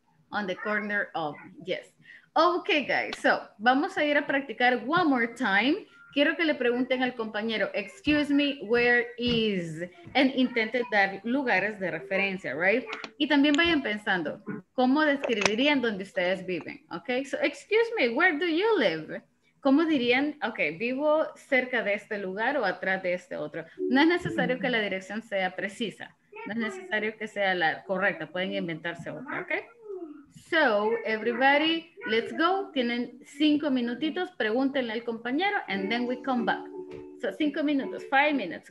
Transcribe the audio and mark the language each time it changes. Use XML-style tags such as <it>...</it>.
<en>On the corner of, yes. Okay, guys, so</en> <es>vamos a ir a practicar</es> <en>one more time.</en> <es>Quiero que le pregunten al compañero,</es> <en>excuse me, where is,</en> <es>and intente dar lugares de referencia, right? Y también vayan pensando, ¿cómo describirían donde ustedes viven?</es> <en>Okay, so excuse me, where do you live?</en> <es>¿Cómo dirían, okay, vivo cerca de este lugar o atrás de este otro? No es necesario que la dirección sea precisa, no es necesario que sea la correcta, pueden inventarse otra, okay?</es> <en>So, everybody, let's go.</en> <es>Tienen 5 minutitos. Pregúntenle al compañero</es> <en>and then we come back. So,</en> <es>5 minutos,</es> <en>5 minutes.</en>